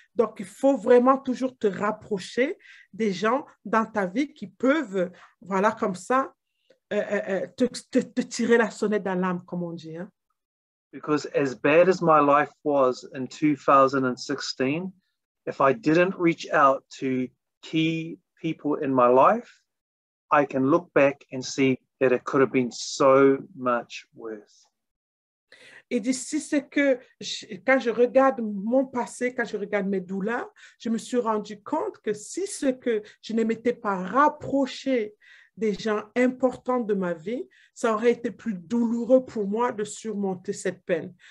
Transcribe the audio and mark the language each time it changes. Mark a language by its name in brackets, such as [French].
[French] Donc, il faut vraiment toujours te rapprocher des gens dans ta vie qui peuvent, voilà, comme ça, te tirer la sonnette d'alarme, comme on dit. Hein? [English] Because as bad as my life was in 2016, if I didn't reach out to key people in my life, I can look back and see that it could have been so much worse. [French] Et d'ici, c'est que quand je regarde mon passé, quand je regarde mes douleurs, je me suis rendu compte que si ce que je ne m'étais pas rapproché des gens importants de ma vie, ça aurait été plus douloureux pour moi de surmonter cette peine.